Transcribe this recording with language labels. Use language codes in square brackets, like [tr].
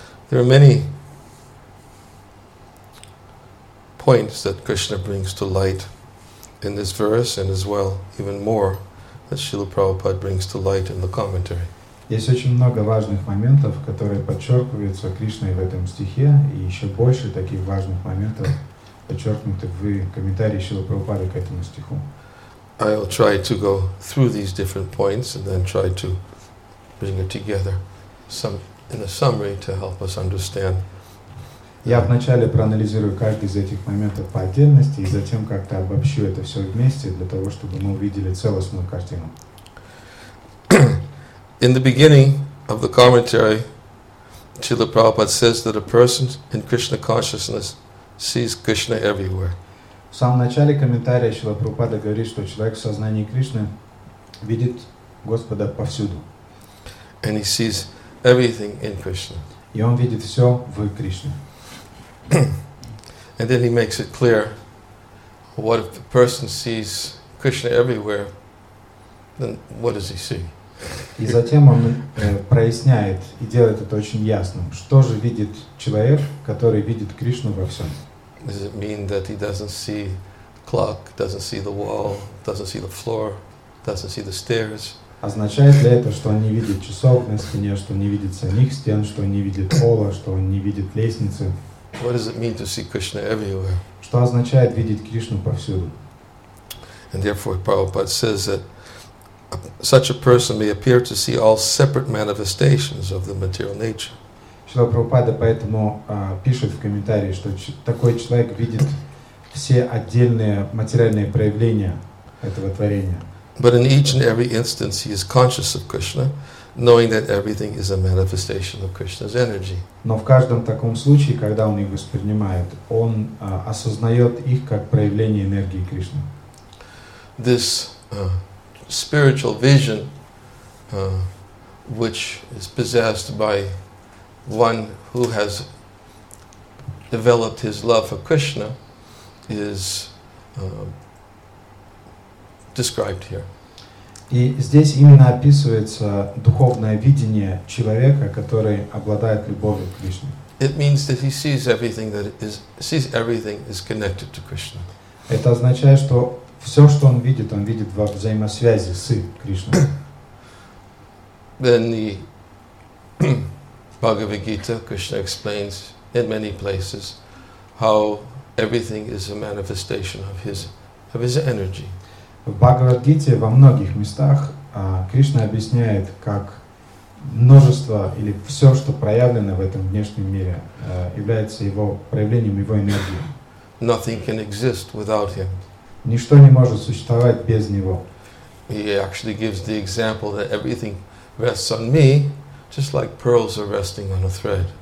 [en] There are many points that Krishna brings to light in this verse and as well, even more, that Srila Prabhupada brings to light in the commentary. [ru] Есть очень много важных моментов, которые подчеркиваются Кришной в этом стихе, и еще больше таких важных моментов подчеркнуты в комментарии Шрилы Прабхупады к этому стиху. [en] I'll try to go through these different points and then try to bring it together some in a summary to help us understand. [ru] Я вначале проанализирую каждый из этих моментов по отдельности и затем как-то обобщу это все вместе для того, чтобы мы увидели целостную картину. [en] In the beginning of the commentary, Srila Prabhupada says that a person in Krishna consciousness sees Krishna everywhere. [ru] В самом начале комментария Шрила Прабхупада говорит, что человек в сознании Кришны видит Господа повсюду. [en] And he sees everything in Krishna. [ru] И он видит все в Кришне. [en] And then he makes it clear, what if the person sees Krishna everywhere, then what does he see? [ru] И затем он проясняет и делает это очень ясным. Что же видит человек, который видит Кришну во всем? [en] Does it mean that he doesn't see the clock, doesn't see the wall, doesn't see the floor, doesn't see the stairs? [ru] Означает ли это, что он не видит часов на стене, что он не видит самих стен, что он не видит пола, что он не видит лестницы? [en] What does it mean to see Krishna everywhere? [ru] Что означает видеть Кришну повсюду? [en] And therefore, Prabhupada says that such a person may appear to see all separate manifestations of the material nature. [ru] Шрила Прабхупада поэтому пишет в комментарии, что такой человек видит все отдельные материальные проявления этого творения. [en] But in each and every instance, he is conscious of Krishna, knowing that everything is a manifestation of Krishna's energy. [ru] Но в каждом таком случае, когда он их воспринимает, он осознает их как проявление энергии Кришны. [en] This spiritual vision, which is possessed by one who has developed his love for Krishna, is described here. [ru] И здесь именно описывается духовное видение человека, который обладает любовью к Кришне. [en] It means that he sees everything that is sees everything is connected to Krishna. [ru] Это означает, что все, что он видит во взаимосвязи с Кришной. [en] Then the Bhagavad Gita, Krishna explains in many places how everything is a manifestation of his energy. [ru] В Бхагавад-гите во многих местах Кришна объясняет, как множество или все, что проявлено в этом внешнем мире, является его проявлением его энергии. [en] Nothing can exist without him. [ru] Ничто не может существовать без него. [en] He actually gives the example that everything rests on me, just like pearls are resting on a thread.